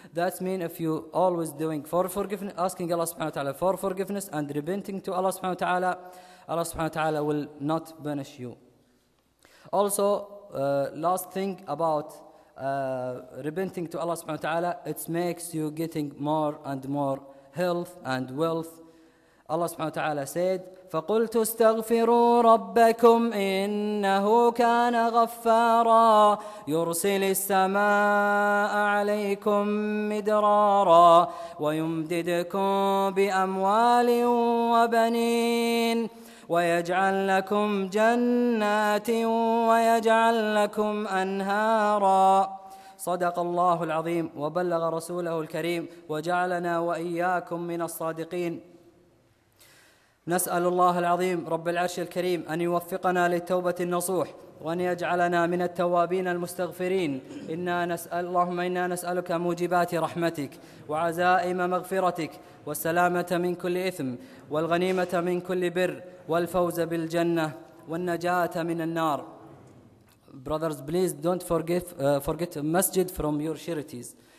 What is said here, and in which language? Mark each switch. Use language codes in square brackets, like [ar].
[en] That means if you always doing for forgiveness, asking Allah subhanahu wa ta'ala for forgiveness and repenting to Allah subhanahu wa ta'ala, Allah subhanahu wa ta'ala will not punish you. Also, last thing about repenting to Allah subhanahu wa ta'ala, it makes you getting more and more health and wealth. Allah subhanahu wa ta'ala said, [ar] فَقُلْتُ اسْتَغْفِرُوا رَبَّكُمْ إِنَّهُ كَانَ غَفَّارًا يُرْسِلِ السَّمَاءَ عَلَيْكُمْ مِدْرَارًا وَيُمْدِدْكُمْ بِأَمْوَالٍ وَبَنِينَ ويجعل لكم جنات ويجعل لكم أنهارا. صدق الله العظيم وبلغ رسوله الكريم وجعلنا وإياكم من الصادقين. نسأل الله العظيم رب العرش الكريم أن يوفقنا للتوبة النصوح وأن يجعلنا من التوابين المستغفرين. إنا نسأل اللهم إنا نسألك موجبات رحمتك وعزائم مغفرتك والسلامة من كل إثم والغنيمة من كل بر والفوز بالجنة والنجاة من النار. [en] Brothers, please don't forget masjid from your charities.